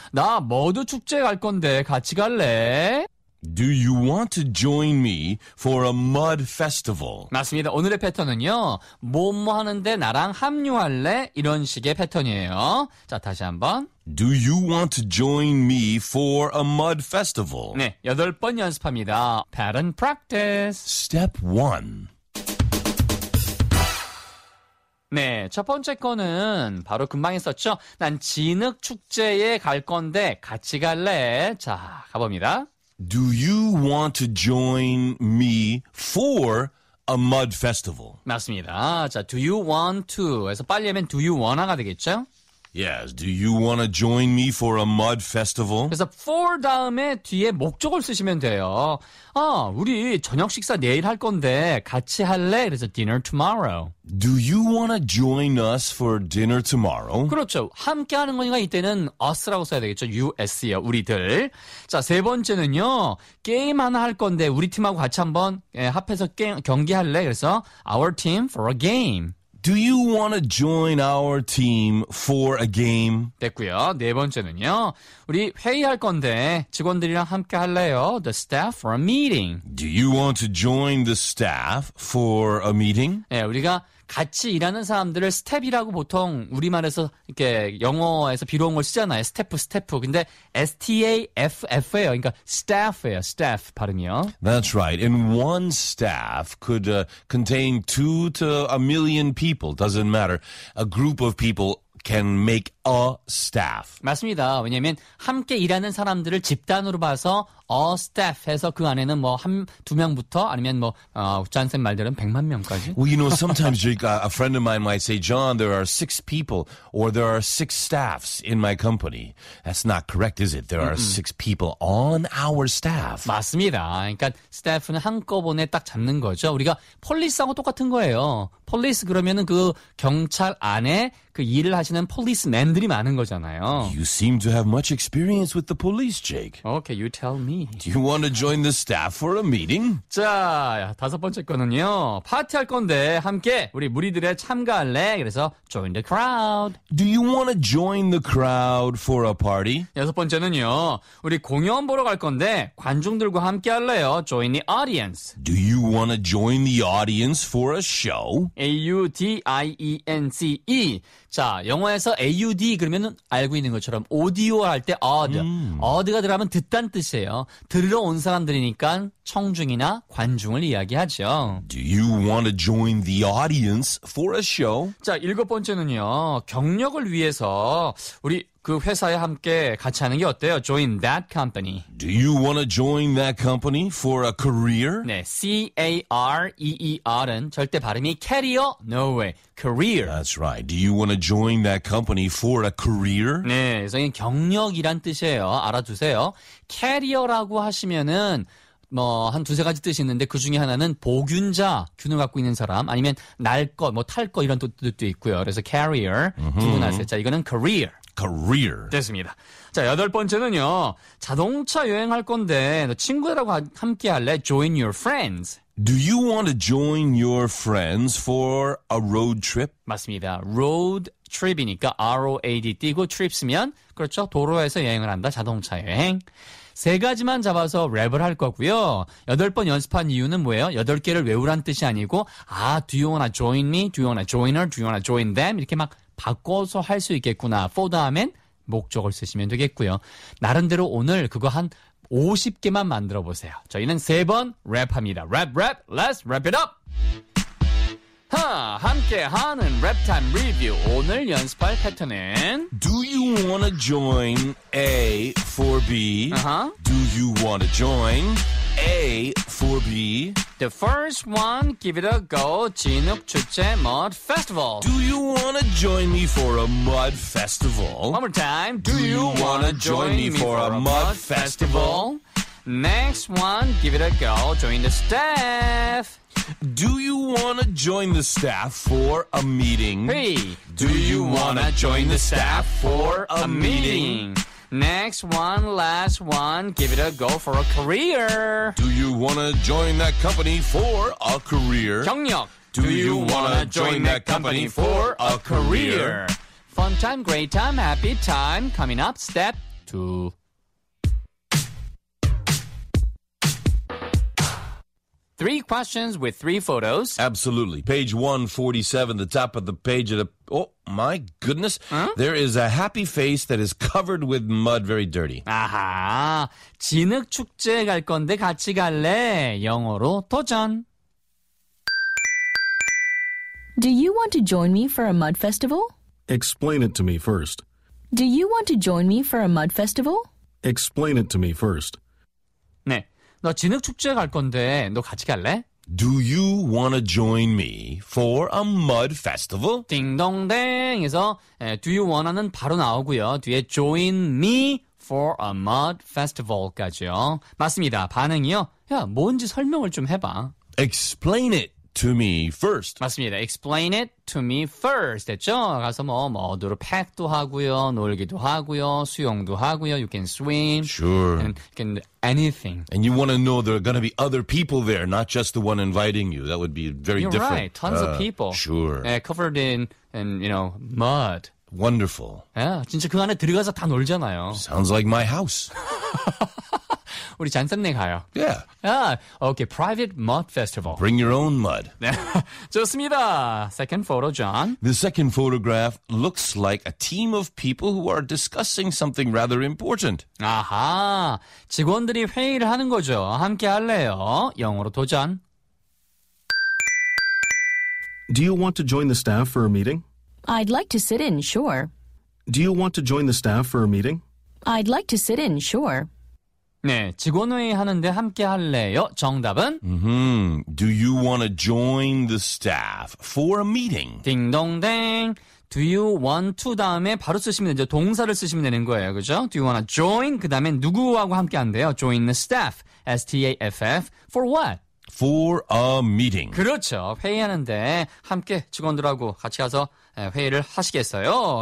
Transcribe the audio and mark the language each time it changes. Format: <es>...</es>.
<ko>나 머드 축제 갈 건데 같이 갈래?</ko> <en>Do you want to join me for a mud festival?</en> <ko>맞습니다. 오늘의 패턴은요. 뭐뭐 하는데 나랑 합류할래? 이런 식의 패턴이에요. 자, 다시 한번.</ko> <en>Do you want to join me for a mud festival?</en> <ko>네, 여덟 번 연습합니다.</ko> <en>Pattern practice. Step 1.</en> <ko>네, 첫 번째 거는 바로 금방 했었죠. 난 진흙 축제에 갈 건데 같이 갈래? 자, 가봅니다.</ko> <en>Do you want to join me for a mud festival?</en> <ko>맞습니다. 자,</ko> <en>do you want to?</en> <ko>그래서 빨리 하면</ko> <en>do you wanna</en> <ko>가 되겠죠?</ko> <en>Yes, do you wanna join me for a mud festival?</en> <ko>그래서 for 다음에 뒤에 목적을 쓰시면 돼요. 아, 우리 저녁 식사 내일 할 건데 같이 할래? 그래서</ko> <en>dinner tomorrow. Do you wanna join us for dinner tomorrow?</en> <ko>그렇죠. 함께 하는 거니까 이때는 us라고 써야 되겠죠. us요. 우리들. 자, 세 번째는요. 게임 하나 할 건데 우리 팀하고 같이 한번 합해서 경기할래? 그래서</ko> <en>our team for a game. Do you want to join our team for a game?</en> <ko>됐고요. 네 번째는요. 우리 회의할 건데 직원들이랑 함께 할래요?</ko> <en>The staff for a meeting. Do you want to join the staff for a meeting?</en> <ko>네, 우리가 같이 일하는 사람들을 스텝이라고 보통 우리말에서 이렇게 영어에서 비롯한 걸 쓰잖아요. 스태프, 스태프. 근데 S-T-A-F-F예요. 그러니까 staff예요. staff 발음이요.</ko> <en>That's right. And one staff could contain two to a million people. Doesn't matter. A group of people can make a staff.</en> <ko>맞습니다. 왜냐하면 함께 일하는 사람들을 집단으로 봐서 a staff 해서 그 안에는 뭐 한 두 명부터 아니면 뭐 우찬쌤 말대로 100만 명까지.</ko> <en>Well, you know, sometimes a friend of mine might say, John, there are six people or there are six staffs in my company. That's not correct, is it? There are six people on our staff.</en> <ko>맞습니다. 그러니까 staff는 한꺼번에 딱 잡는 거죠. 우리가 police하고 똑같은 거예요. police 그러면은 그 경찰 안에 그 일을 하시는 policeman들이 많은 거잖아요.</ko> <en>You seem to have much experience with the police, Jake. Okay, you tell me. Do you want to join the staff for a meeting?</en> <ko>자, 다섯 번째 거는요. 파티할 건데 함께 우리 무리들에 참가할래? 그래서</ko> <en>join the crowd. Do you want to join the crowd for a party?</en> <ko>여섯 번째는요. 우리 공연 보러 갈 건데 관중들과 함께 할래요?</ko> <en>Join the audience. Do you want to join the audience for a show? A-U-D-I-E-N-C-E.</en> <ko>자, 영어에서 AUD 그러면은 알고 있는 것처럼 오디오 할 때 odd. odd가 들어가면 듣단 뜻이에요. 들으러 온 사람들이니까 청중이나 관중을 이야기하죠.</ko> <en>Do you want to join the audience for a show?</en> <ko>자, 일곱 번째는요. 경력을 위해서 우리 그 회사에 함께 같이 하는 게 어때요?</ko> <en>Join that company. Do you want to join that company for a career?</en> <ko>네, C-A-R-E-E-R은 절대 발음이 career,</ko> <en>no way,</en> <ko>career.</ko> <en>That's right. Do you want to join that company for a career?</en> <ko>네, 그래서 경력이란 뜻이에요. 알아두세요. career라고 하시면은 뭐 한 두세 가지 뜻이 있는데 그중에 하나는 보균자, 균을 갖고 있는 사람 아니면 날 거, 뭐 탈 거 이런 뜻도 있고요. 그래서 career, 구분하세요. 자, 이거는 career.</ko> <en>Career.</en> <ko>됐습니다. 자, 여덟 번째는요. 자동차 여행할 건데 너 친구들하고 함께 할래?</ko> <en>Join your friends. Do you want to join your friends for a road trip?</en> <ko>맞습니다. Road trip이니까 R-O-A-D 띄고 trips면 그렇죠. 도로에서 여행을 한다. 자동차 여행. 세 가지만 잡아서 랩을 할 거고요. 여덟 번 연습한 이유는 뭐예요? 여덟 개를 외우란 뜻이 아니고 아,</ko> <en>do you want to join me? Do you want to join her? Do you want to join them?</en> <ko>이렇게 막 바꿔서 할 수 있겠구나. For 다음엔 목적을 쓰시면 되겠고요. 나름대로 오늘 그거 한 50개만 만들어 보세요. 저희는 세 번 랩합니다. 랩, 랩,</ko> <en>let's wrap it up!</en> <ko>함께하는 랩타임 리뷰. 오늘 연습할 패턴은</ko> <en>Do you want to join A for B? Uh-huh. Do you want to join A for B? The first one, give it a go.</en> <ko>진흙 축제</ko> <en>mud festival. Do you want to join me for a mud festival? One more time. Do you want to join me for a mud festival? Next one, give it a go. Join the staff. Do you want to join the staff for a meeting? Hey. Do you want to join the staff for a meeting? Next one, last one, give it a go for a career. Do you want to join that company for a career?</en> <ko>경력.</ko> <en>Do you want to join that company for a career? Fun time, great time, happy time. Coming up, step two. Three questions with three photos. Absolutely. Page 147, the top of the page. Oh, my goodness. Huh? There is a happy face that is covered with mud, very dirty.</en> <ko>아하, 진흙 축제 갈 건데 같이 갈래? 영어로 도전.</ko> <en>Do you want to join me for a mud festival? Explain it to me first. Do you want to join me for a mud festival? Explain it to me first.</en> <ko>네. 너 진흙 축제 갈 건데 너 같이 갈래?</ko> <en>Do you want to join me for a mud festival?</en> <ko>딩동댕에서 do you want는 바로 나오고요. 뒤에</ko> <en>join me for a mud festival</en> <ko>까지요. 맞습니다. 반응이요. 야, 뭔지 설명을 좀 해봐.</ko> <en>Explain it to me first.</en> <ko>맞습니다.</ko> <en>Explain it to me first.</en> <ko>됐죠? 가서 뭐 모두로 팩도 하고요. 놀기도 하고요. 수영도 하고요.</ko> <en>You can swim. Sure. And you can do anything. And you want to know there are going to be other people there, not just the one inviting you. That would be very You're different. You're right. Tons of people. Sure. Covered in, you know, mud. Wonderful. Yeah.</en> <ko>진짜 그 안에 들어가서 다 놀잖아요.</ko> <en>Sounds like my house.</en> <ko>우리 잔썸네 가요.</ko> <en>Yeah. Yeah. Okay, private mud festival. Bring your own mud.</en> <ko>네, 좋습니다.</ko> <en>Second photo, John. The second photograph looks like a team of people who are discussing something rather important.</en> <ko>아하, 직원들이 회의를 하는 거죠. 함께 할래요? 영어로 도전.</ko> <en>Do you want to join the staff for a meeting? I'd like to sit in, sure. Do you want to join the staff for a meeting? I'd like to sit in, sure.</en> <ko>네, 직원회의 하는데 함께 할래요? 정답은? Mm-hmm.</ko> <en>Do you want to join the staff for a meeting?</en> <ko>딩동댕.</ko> <en>Do you want to</en> <ko>다음에 바로 쓰시면 되죠. 동사를 쓰시면 되는 거예요. 그죠?</ko> <en>Do you want to join?</en> <ko>그 다음에 누구하고 함께 한대요?</ko> <en>Join the staff. S-T-A-F-F. For what? For a meeting.</en> <ko>그렇죠. 회의하는데 함께 직원들하고 같이 가서 회의를 하시겠어요?</ko>